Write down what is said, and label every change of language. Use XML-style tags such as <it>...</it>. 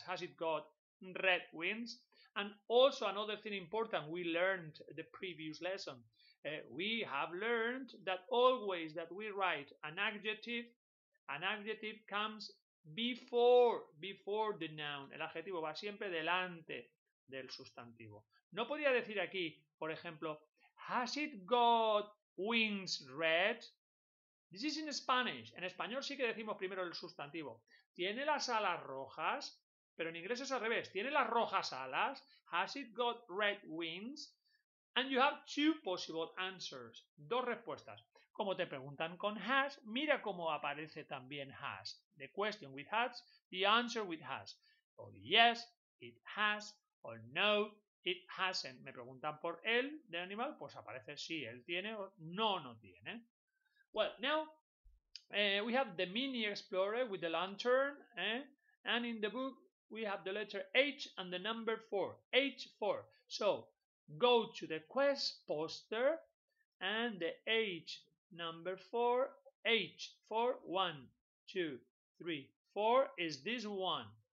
<en>Has it got red wings? And also another thing important we learned the previous lesson. We have learned that always that we write an adjective comes before the noun.</en> <es>El adjetivo va siempre delante del sustantivo. No podía decir aquí, por ejemplo,</es> <en>has it got wings red? This is in Spanish.</en> <es>En español sí que decimos primero el sustantivo. ¿Tiene las alas rojas? Pero en inglés es al revés. ¿Tiene las rojas alas?</es> <en>Has it got red wings? And you have two possible answers.</en> <es>Dos respuestas. Como te preguntan con has, mira cómo aparece también has.</es> <en>The question with has, the answer with has. Or yes, it has. Or no, it hasn't.</en> <es>Me preguntan por él, del animal, pues aparece sí, él tiene o no tiene.</es> <en>Well, now, We have the mini explorer with the lantern, and in the book we have the letter H and the number 4, H4. So go to the quest poster and the H number 4, H4, 1, 2, 3, 4 is this one.</en>